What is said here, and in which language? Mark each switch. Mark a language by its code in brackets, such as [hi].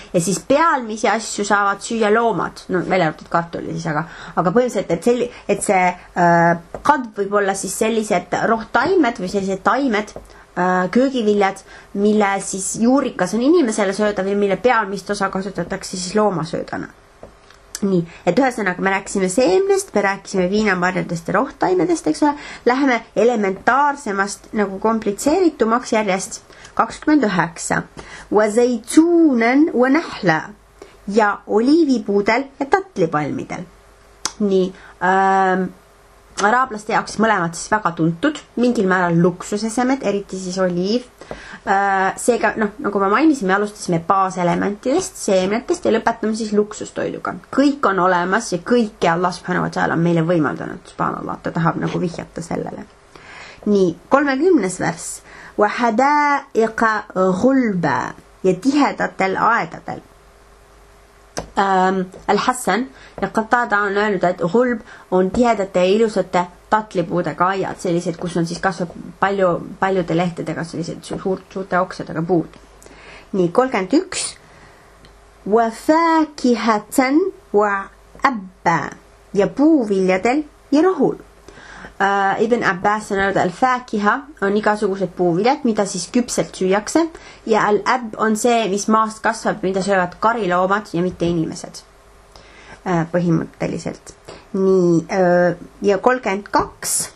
[et] Ja siis pealmisi asju saavad süüa loomad, välja arvatud kartuli siis, aga põhimõtteliselt, et see kadv võib olla siis sellised rohtaimed või sellised taimed, köögiviljad, mille siis juurikas on inimesele söödav ja mille pealmist osa kasutatakse siis loomasöödana. Nii, et ühesõnaga me rääkisime seemnest, me rääkisime viinamarjadest ja rohtaimedest, eks ole, läheme elementaarsemast nagu komplitseeritumaks järjest. 29. [ar] Wa zaytunan wa nahla [et] ja oliivipuudel ja tatlipalmidel. Nii, araablaste jaoks mõlemad siis väga tuntud, mingil määral luksusesemed, eriti siis oliiv. Seega, nagu ma mainisin, me alustasime baaselementidest, seemnetest ja lõpetame siis luksustoiduga. Kõik on olemas ja kõike Allah subhanahu wa ta'ala on meile võimaldanud, subhanallah, ta tahab nagu vihjata sellele. Nii, 30. Vers. [ar] Wa hada'iqa ghulba [et] ja tihedatel aedadel. Al-Hassan ja Qatada on öelnud, et hulb on tihedate ja ilusate tatlipuudega aiad, sellised, kus on siis kasvab palju, paljude lehtedega sellised suurte oksadega puud. Nii, 31. [ar] Wa faakihatan wa abba [et] ja puuviljadel ja rohul. Ibn Abbas on öelnud, al-faakiha on igasugused puuviljad, mida siis küpselt süüakse ja al-ab on see, mis maast kasvab, mida söövad kariloomad ja mitte inimesed põhimõtteliselt. Nii, ja 32.